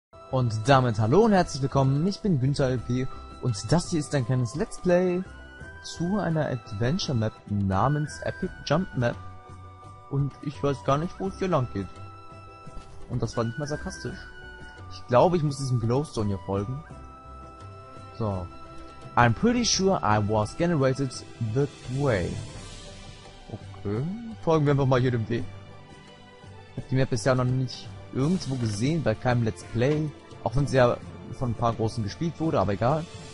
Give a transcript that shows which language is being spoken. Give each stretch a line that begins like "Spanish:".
German: Und damit hallo und herzlich willkommen, ich bin Günther LP und das hier ist ein kleines Let's Play zu einer Adventure Map namens Epic Jump Map. Und ich weiß gar nicht, wo es hier lang geht. Und das war nicht mal sarkastisch. Ich glaube, ich muss diesem Glowstone hier folgen. So.
English: I'm pretty sure I was generated that way. Okay.
German: Folgen wir einfach mal hier dem Weg. Ich habe die Map bisher noch nicht irgendwo gesehen, bei keinem Let's Play. Auch wenn sie ja von ein paar Großen gespielt wurde, aber egal.